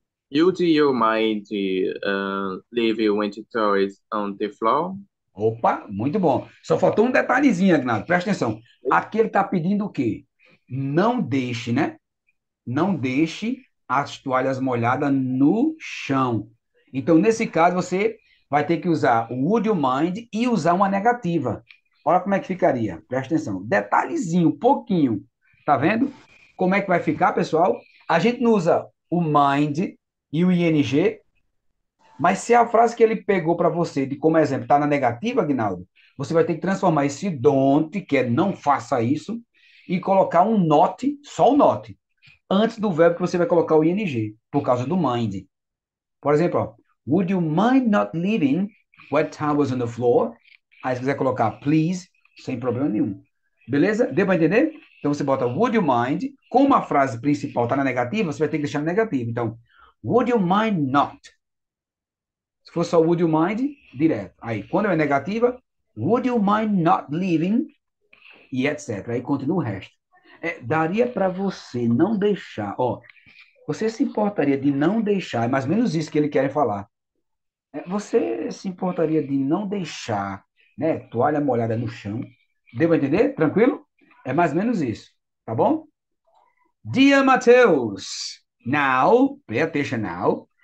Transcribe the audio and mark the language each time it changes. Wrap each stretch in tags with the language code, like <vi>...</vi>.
<en>You mind leave your winter toys on the floor?</en> <pt>Opa, muito bom. Só faltou um detalhezinho, Agnaldo. Presta atenção. Aqui ele está pedindo o quê? Não deixe, né? Não deixe as toalhas molhadas no chão. Então, nesse caso, você vai ter que usar o</pt> <en>would you mind</en> <pt>e usar uma negativa. Olha como é que ficaria. Presta atenção. Detalhezinho, pouquinho. Tá vendo? Como é que vai ficar, pessoal? A gente não usa o mind e o ing. Mas se a frase que ele pegou para você, de como exemplo, está na negativa, Aguinaldo, Você vai ter que transformar esse don't, que é não faça isso, e colocar um not, só o not, antes do verbo que você vai colocar o ing, por causa do mind. Por exemplo, ó,</pt> <en>would you mind not leaving wet towels on the floor?</en> <pt>Aí se quiser colocar please, sem problema nenhum. Beleza? Deu para entender? Então você bota</pt> <en>would you mind,</en> <pt>como a frase principal está na negativa, você vai ter que deixar na negativa. Então,</pt> <en>would you mind not?</en> <pt>Se for só</pt> <en>would you mind,</en> <pt>direto. Aí, quando é negativa,</pt> <en>would you mind not leaving?</en> <pt>E etc. Aí continua o resto. É, daria para você não deixar. Ó, você se importaria de não deixar? É mais ou menos isso que ele quer falar. É, você se importaria de não deixar, né, toalha molhada no chão? Deu para entender? Tranquilo? É mais ou menos isso. Tá bom?</pt> <en>Dear Matheus, now, pay attention now.</en>